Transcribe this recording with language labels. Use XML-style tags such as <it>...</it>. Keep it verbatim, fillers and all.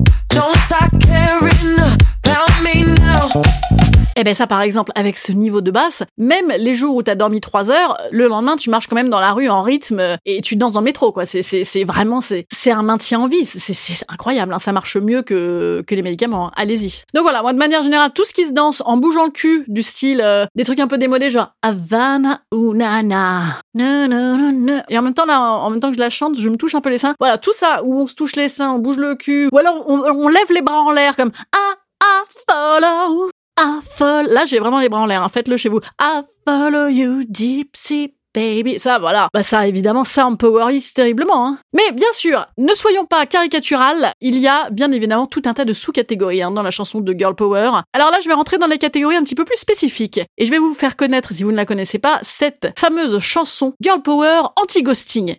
<en>Don't start caring about me now.</en> <fr>Eh ben ça, par exemple, avec ce niveau de basse, même les jours où t'as dormi trois heures, le lendemain, tu marches quand même dans la rue en rythme et tu danses dans le métro, quoi. C'est, c'est, c'est vraiment, c'est, c'est un maintien en vie. C'est, c'est incroyable, hein. Ça marche mieux que, que les médicaments. Hein. Allez-y. Donc voilà, moi, de manière générale, tout ce qui se danse en bougeant le cul, du style, euh, des trucs un peu démodés, genre, Havana ou Nana. Et en même temps, là, en même temps que je la chante, je me touche un peu les seins. Voilà, tout ça, où on se touche les seins, on bouge le cul, ou alors, on, on lève les bras en l'air, comme, ah, ah,</fr> <en>follow. I follow.</en> <fr>Là, j'ai vraiment les bras en l'air. Hein. Faites-le chez vous.</fr> <en>I follow you, deep sea baby.</en> <fr>Ça, voilà. Bah ça, évidemment, ça empowerise terriblement. Hein. Mais bien sûr, ne soyons pas caricatural. Il y a bien évidemment tout un tas de sous-catégories hein, dans la chanson de Girl Power. Alors là, je vais rentrer dans les catégories un petit peu plus spécifiques. Et je vais vous faire connaître, si vous ne la connaissez pas, cette fameuse chanson Girl Power anti-ghosting.</fr>